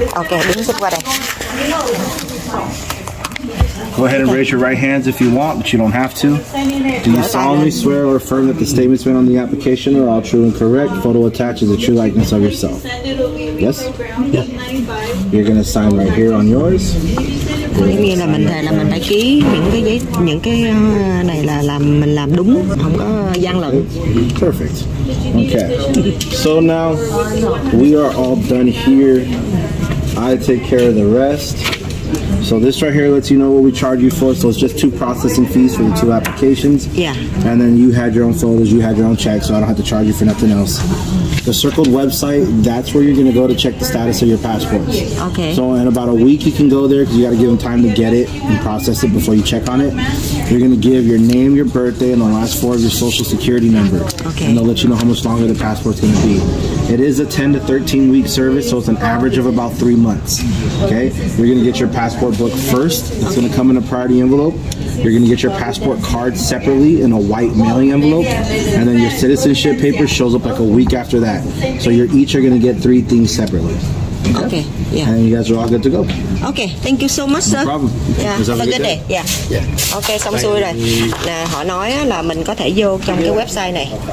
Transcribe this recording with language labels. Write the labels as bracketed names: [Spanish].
[Vietnamese] Okay, đứng xếp qua đây. [English] Go ahead and raise your right hands if you want, but you don't have to. Do you solemnly swear or affirm that the statements made on the application are all true and correct? Photo attached is a true likeness of yourself. Yes? Yeah. You're gonna sign right here on yours. [Vietnamese] Nghĩa là mình thề là mình phải ký những cái này là mình làm đúng, không có gian lận. [English] Perfect. Okay. So now we are all done here. I take care of the rest. So this right here lets you know what we charge you for. So it's just two processing fees for the two applications. Yeah. And then you had your own photos, you had your own check, so I don't have to charge you for nothing else. The circled website, that's where you're going to go to check the status of your passports. Okay. So in about a week you can go there because you got to give them time to get it and process it before you check on it. You're going to give your name, your birthday, and the last four of your social security number. Okay. And they'll let you know how much longer the passport's going to be. It is a 10 to 13 week service, so it's an average of about 3 months. Okay. You're going to get your passport book first. It's going to come in a priority envelope. You're going to get your passport card separately in a white mailing envelope. And then your citizenship paper shows up like a week after that. So you're each are going to get three things separately. Okay. Yeah. And you guys are all good to go. Okay. Thank you so much, sir. No problem. Yeah. Have a good day. Yeah. Yeah. [Vietnamese] Okay. Xong xuôi rồi. Nè, họ nói là mình có thể vô trong cái website này.